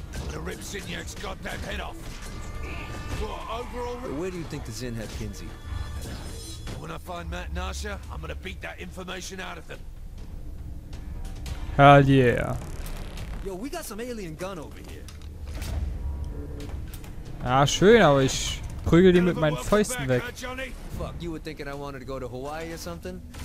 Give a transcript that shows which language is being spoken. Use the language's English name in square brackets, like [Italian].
[English] I'm gonna rip Zinyak's goddamn head off. What, overall... Where do you think the Zin have Kinsey? When I find Matt and Asha, I'm gonna beat that information out of them. Hell yeah. Yo, we got some alien gun over here. [German] Ah, schön, aber ich prügel die mit meinen Fäusten weg. [English] Fuck, you were thinking I wanted to go to Hawaii or something?